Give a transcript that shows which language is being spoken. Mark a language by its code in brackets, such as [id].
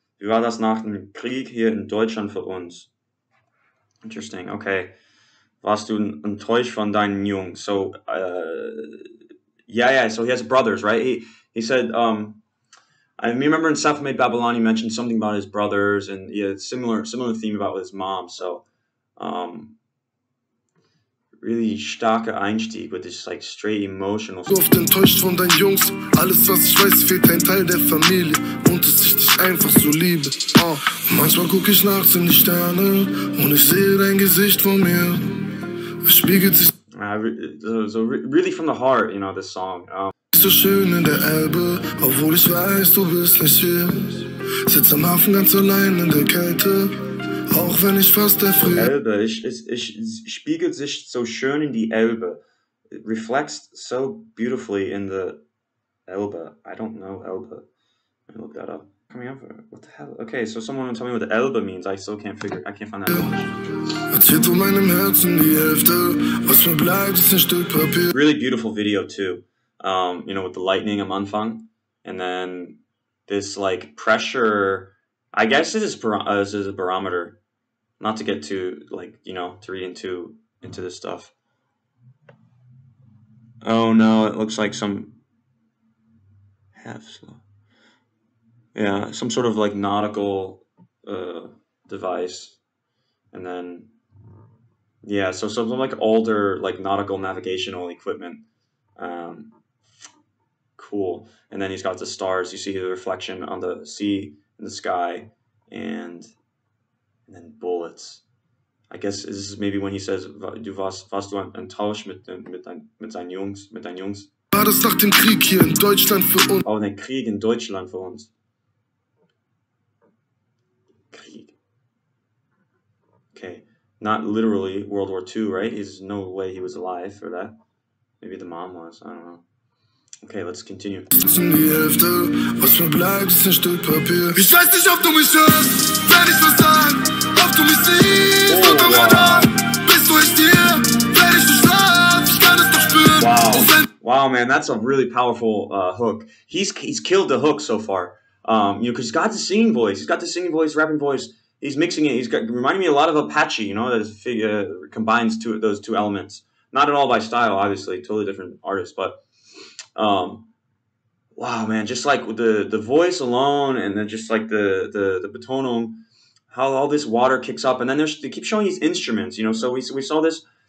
[de] Wie war das nach dem Krieg hier in Deutschland für uns? [en] Interesting, okay. [de] Warst du enttäuscht von deinen Jungs? [en] So, so he has brothers, right? He said, I remember in Self-Made Babylon, he mentioned something about his brothers and he had a similar theme about with his mom. So, really [de] starker Einstieg [en] with this like straight emotional. [de] So oft enttäuscht von deinen Jungs, alles was ich weiß, fehlt ein Teil der Familie und dass ich dich einfach so liebe. Oh. Manchmal guck ich nachts in die Sterne und ich sehe dein Gesicht vor mir. Es spiegelt sich. [en] Really from the heart, you know, this song. [de] So schön in der Elbe, obwohl ich weiß, du bist nicht hier. Sitz am Hafen ganz allein in der Kälte. Auch wenn ich fast der Früh... Elbe, ich spiegelt sich so schön in die Elbe. [en] It reflects so beautifully in the Elbe. I don't know Elbe. Let me look that up. Coming over. What the hell? Okay, so someone will tell me what the Elbe means. I can't find that. [de] Erzählt von meinem Herzen die Hälfte. Was mir bleibt, ist ein Stück Papier. [en] Really beautiful video too. You know, with the lightning [de] am Anfang. [en] And then this like pressure... I guess this is a barometer, not to get too, like, you know, to read into this stuff. Oh no, it looks like some half slow. Yeah, some sort of like nautical device. And then, yeah, so some like older, like nautical navigational equipment. Cool. And then he's got the stars. You see the reflection on the sea. In the sky, and then bullets. I guess this is maybe when he says, [de] du warst du enttäuscht mit deinen Jungs. War das nach dem Krieg hier in Deutschland für uns? Oh, der Krieg in Deutschland für uns. Krieg. Okay. [en] Not literally World War II, right? There's no way he was alive for that. Maybe the mom was, I don't know. Okay, let's continue. [de] Was verbleibt, ist ein Stück Papier. Ich weiß nicht, ob du mich hörst, wenn ich was sag. Ob du mich siehst, unter Radar. Bist du echt hier, wenn ich so schlaf. Ich kann es doch spüren. [en] Wow, man, that's a really powerful hook. He's killed the hook so far. You know, because he's got the singing voice. He's got the singing voice, rapping voice. He's mixing it. He's got, reminding me a lot of Apache, you know, that combines those two elements. Not at all by style, obviously. Totally different artist. But, wow, man, just like with the voice alone and then just like the batonum, how all this water kicks up. And then they keep showing these instruments, you know. So we saw this.